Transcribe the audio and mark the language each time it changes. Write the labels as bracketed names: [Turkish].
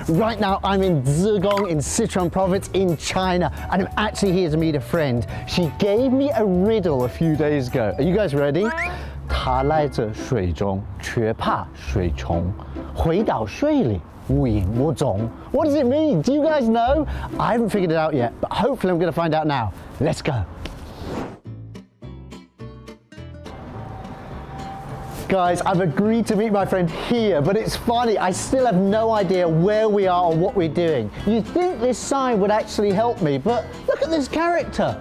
[English] Right now I'm in Zigong in Sichuan province in China, and I'm actually here to meet a friend. She gave me a riddle a few days ago. Are you guys ready? [Chinese] 他来自水中，却怕水冲，回到水里无影无踪. [English] What does it mean? Do you guys know? I haven't figured it out yet, but hopefully I'm going to find out now. Let's go. Guys, I've agreed to meet my friend here, but it's funny, I still have no idea where we are or what we're doing. You'd think this sign would actually help me, but look at this character.